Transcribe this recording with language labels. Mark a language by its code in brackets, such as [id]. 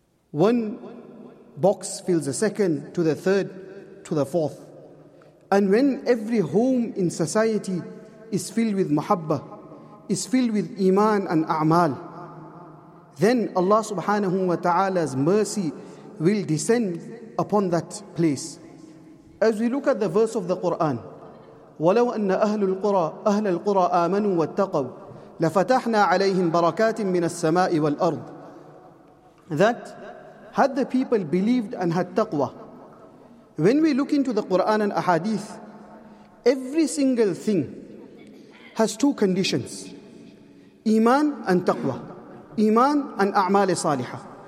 [en] One box fills the second, to the third, to the fourth. And when every home in society is filled with muhabba, is filled with iman and a'mal, then Allah subhanahu wa ta'ala's mercy will descend upon that place. As we look at the verse of the Quran, [ar] وَلَوْ أَنَّ أَهْلُ الْقُرَىٰ أَهْلَ الْقُرَىٰ آمَنُوا وَاتَّقَوْا لَفَتَحْنَا عَلَيْهِمْ بَرَكَاتٍ مِّنَ السَّمَاءِ وَالْأَرْضِ. [en] That had the people believed and had taqwa. When we look into the Quran and Ahadith, every single thing has two conditions, iman and taqwa, iman and a'mal saliha.